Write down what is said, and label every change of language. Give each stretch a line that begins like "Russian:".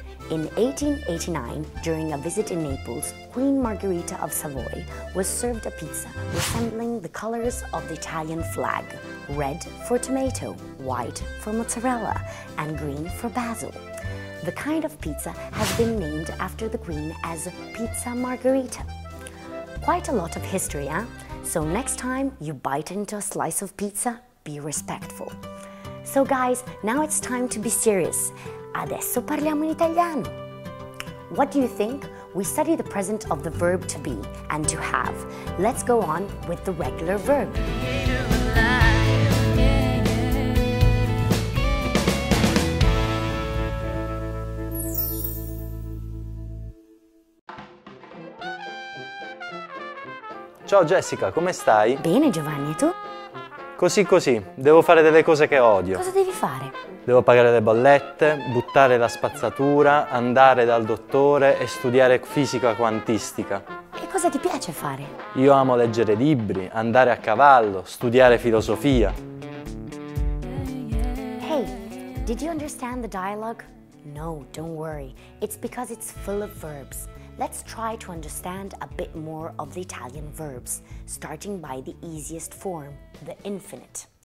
English: In 1889, during a visit in Naples, Queen Margherita of Savoy was served a pizza resembling the colors of the Italian flag: red for tomato, white for mozzarella, and green for basil. The kind of pizza has been named after the queen as Pizza Margherita. Quite a lot of history, huh? So next time you bite into a slice of pizza, be respectful. So guys, now it's time to be serious.
Italian: Adesso parliamo in italiano.
English: What do you think? We study the present of the verb to be and to have. Let's go on with the regular verb.
Italian: Ciao Jessica, come stai? Bene Giovanni, e tu? Così così, devo fare delle cose che odio. Cosa devi fare? Devo pagare le bollette, buttare la spazzatura, andare dal dottore e studiare fisica quantistica. E cosa ti piace fare? Io amo leggere libri, andare a cavallo, studiare filosofia.
English: Hey, did you understand the dialogue? No, don't worry, it's because it's full of verbs. Let's try to understand a bit more of the Italian verbs, starting by the easiest form, the infinite.